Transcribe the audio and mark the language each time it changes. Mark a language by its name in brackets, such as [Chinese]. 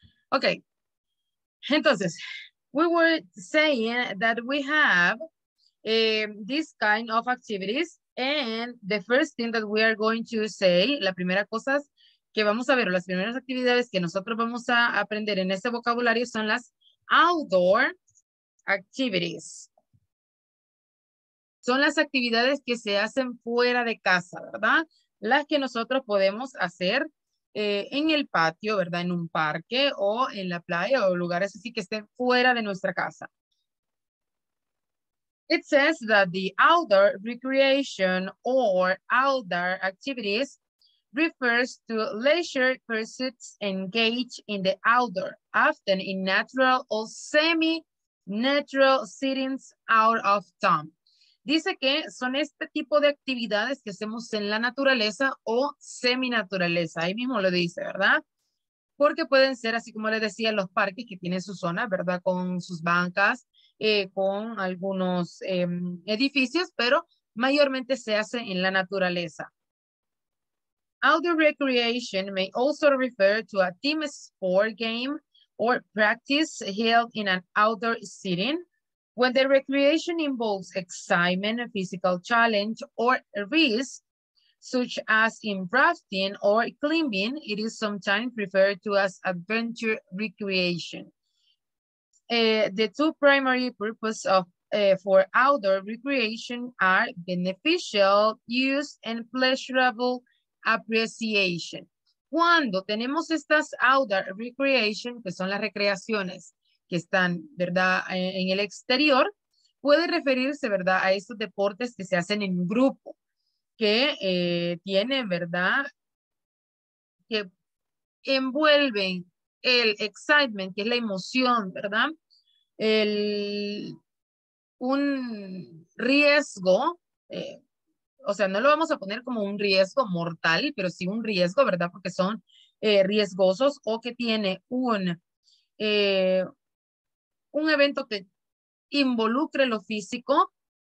[Spanish] Ok. Entonces, [English] we were saying that we have this kind of activities and the first thing that we are going to say, [Spanish] la primera cosa es que vamos a ver, las primeras actividades que nosotros vamos a aprender en este vocabulario son las outdoor activities. Son las actividades que se hacen fuera de casa, ¿verdad? Las que nosotros podemos hacer en el patio, ¿verdad? En un parque o en la playa o lugares así que estén fuera de nuestra casa. [English] It says that the outdoor recreation or outdoor activities refers to leisure pursuits engaged in the outdoor, often in natural or semi-natural settings out of town. [Spanish] Dice que son este tipo de actividades que hacemos en la naturaleza o semi-naturaleza. Ahí mismo lo dice, ¿verdad? Porque pueden ser, así como les decía, los parques que tienen su zona, ¿verdad? Con sus bancas, con algunos edificios, pero mayormente se hace en la naturaleza. [English] Outdoor recreation may also refer to a team sport game or practice held in an outdoor setting when the recreation involves excitement, physical challenge, or risk, such as in rafting or climbing, it is sometimes referred to as adventure recreation. The two primary purposes of for outdoor recreation are beneficial, use, and pleasurable appreciation. [Spanish] Cuando tenemos estas outdoor recreation, que son las recreaciones que están, ¿verdad?, en el exterior, puede referirse, ¿verdad?, a estos deportes que se hacen en grupo, que tienen, ¿verdad?, que envuelven el excitement, que es la emoción, ¿verdad?, el, un riesgo, o sea, no lo vamos a poner como un riesgo mortal, pero sí un riesgo, ¿verdad?, porque son riesgosos o que tiene un evento que involucre lo físico,